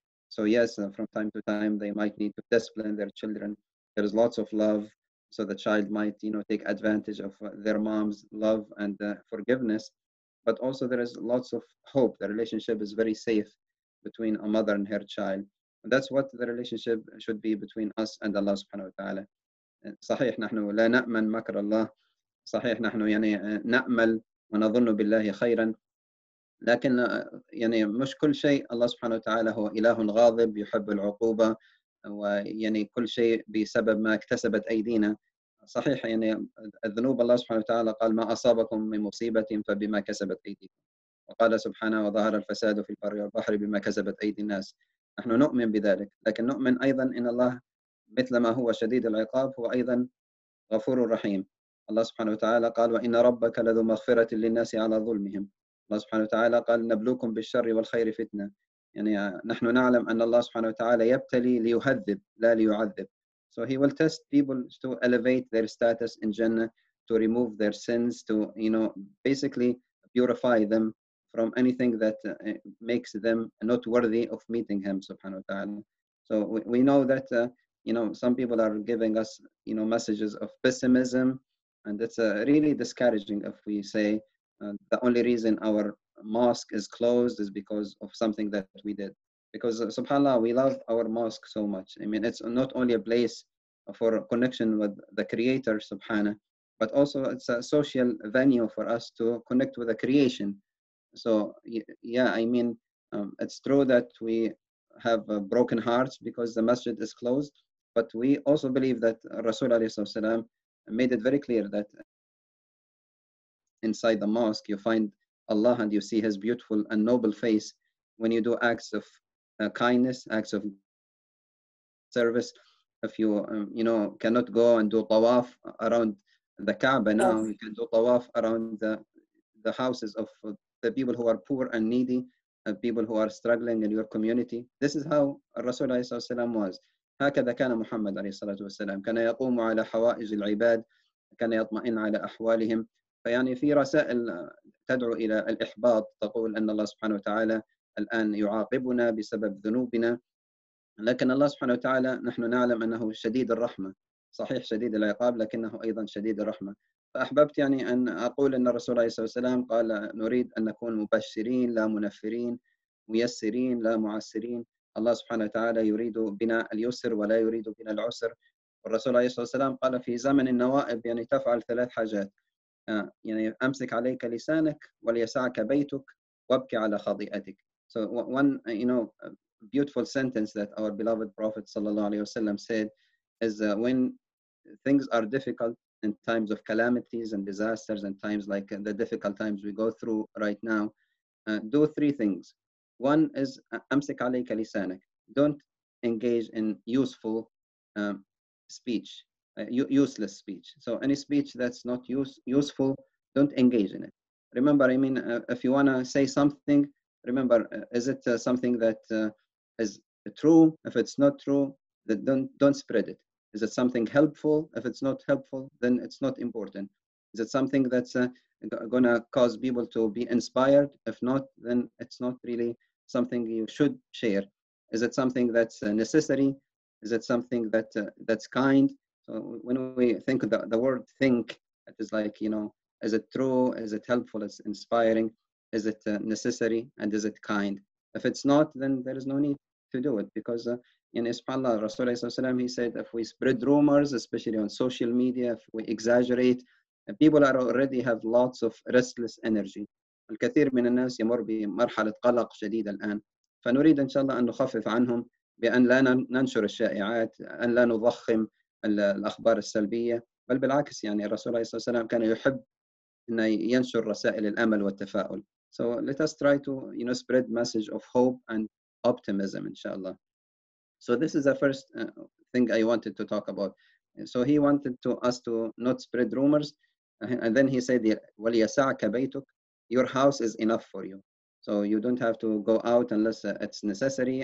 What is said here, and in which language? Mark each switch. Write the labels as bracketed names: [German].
[English] So yes, from time to time, they might need to discipline their children. There is lots of love. So the child might, you know, take advantage of their mom's love and forgiveness. But also there is lots of hope. The relationship is very safe between a mother and her child. That's what the relationship should be between us and Allah subhanahu wa ta'ala. [Arabic] صحيح نحن لا نأمن مكر الله صحيح نحن يعني نأمل ونظن بالله خيرا لكن يعني مش كل شيء الله سبحانه وتعالى هو إله غاضب يحب العقوبة ويعني كل شيء بسبب ما اكتسبت أيدينا صحيح يعني الذنوب الله سبحانه وتعالى قال ما أصابكم من مصيبة فبما كسبت أيديكم وقال سبحانه وظهر الفساد في البر والبحر بما كسبت أيدي الناس نحن نؤمن بذلك لكن نؤمن أيضا إن الله مثل ما هو شديد العقاب هو أيضا غفور رحيم الله سبحانه وتعالى قال وإن ربك لذو مغفرة للناس على ظلمهم الله سبحانه وتعالى قال نبلوكم بالشر والخير فتنة يعني نحن نعلم أن الله سبحانه وتعالى يبتلي ليهذب لا ليعذب [English] so he will test people to elevate their status in Jannah to remove their sins to you know basically purify them from anything that makes them not worthy of meeting him, subhanahu wa ta'ala. So we know that, you know, some people are giving us, you know, messages of pessimism, and it's really discouraging if we say the only reason our mosque is closed is because of something that we did. Because, subhanAllah, we love our mosque so much. I mean, it's not only a place for connection with the Creator, subhanAllah, but also it's a social venue for us to connect with the creation. So, yeah, I mean, it's true that we have broken hearts because the masjid is closed, but we also believe that Rasul alayhi salam made it very clear that inside the mosque, you find Allah and you see his beautiful and noble face when you do acts of kindness, acts of service. If you, you know, cannot go and do tawaf around the Kaaba now, you can do tawaf around the houses of the people who are poor and needy, people who are struggling in your community. This is how Rasul alayhi salam was. [Arabic] هكذا كان محمد عليه الصلاة والسلام كان يقوم على حوائج العباد كان يطمئن على أحوالهم. فيعني في رسائل تدعو إلى الإحباط، تقول أن الله سبحانه وتعالى الآن يعاقبنا بسبب ذنوبنا، لكن الله سبحانه وتعالى نحن نعلم أنه شديد الرحمة، صحيح شديد العقاب لكنه أيضا شديد الرحمة. فأحببت يعني أن أقول أن الرسول صلى الله عليه وسلم قال نريد أن نكون مبشرين لا منفرين، ميسرين لا معسرين. الله سبحانه وتعالى يريد بنا اليسر ولا يريد بنا العسر. والرسول عليه الصلاة والسلام قال في زمن النوائب يعني تفعل ثلاث حاجات، يعني أمسك عليك لسانك وليسعك بيتك وابكي على خطيئتك. [English] So one, you know, beautiful sentence that our beloved Prophet صلى الله عليه وسلم said is when things are difficult in times of calamities and disasters and times like the difficult times we go through right now, do three things. One is [Arabic] أمسك عليك لسانك. [English] Don't engage in useful speech, useless speech. So any speech that's not useful, don't engage in it. Remember, I mean, if you wanna say something, remember, is it something that is true? If it's not true, then don't spread it. Is it something helpful? If it's not helpful, then it's not important. Is it something that's gonna cause people to be inspired? If not, then it's not really something you should share. Is it something that's necessary? Is it something that that's kind? So when we think of the word think, it is like, you know, is it true? Is it helpful? Is it inspiring? Is it necessary? And is it kind? If it's not, then there is no need to do it, because in subhanAllah, Rasulullah, he said, if we spread rumors, especially on social media, if we exaggerate, people are already have lots of restless energy. [Arabic] الكثير من الناس يمر بمرحلة قلق شديدة الآن، فنريد إن شاء الله أن نخفف عنهم بأن لا ننشر الشائعات، أن لا نضخم الأخبار السلبية، بل بالعكس يعني الرسول صلى الله عليه وسلم كان يحب أن ينشر رسائل الأمل والتفاؤل. [English] So let us try to, you know, spread message of hope and optimism إن شاء الله. So this is the first thing I wanted to talk about. So he wanted to us to not spread rumors, and then he said [Arabic] وليسعك بيتك. [English] Your house is enough for you. So you don't have to go out unless it's necessary.